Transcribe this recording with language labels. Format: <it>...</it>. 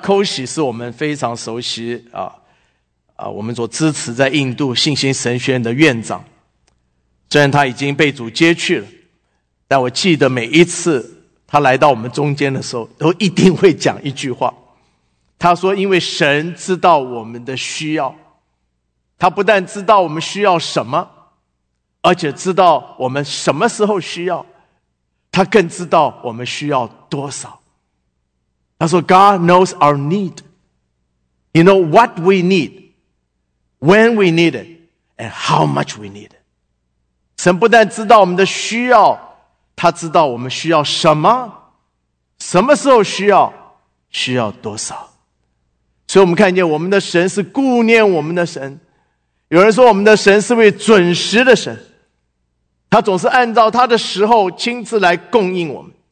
<zh>Koshi 是我们非常熟悉我们所支持在印度信心神学院的院长，虽然他已经被主接去了，但我记得每一次他来到我们中间的时候，都一定会讲一句话。他说，因为神知道我们的需要，他不但知道我们需要什么，而且知道我们什么时候需要，他更知道我们需要多少。他说</zh> <en>God knows our need. You know what we need, when we need it, and how much we need it.</en> <zh>神不但知道我们的需要，他知道我们需要什么，什么时候需要，需要多少。所以我们看见我们的神是顾念我们的神。有人说我们的神是位准时的神，他总是按照他的时候亲自来供应我们。</zh>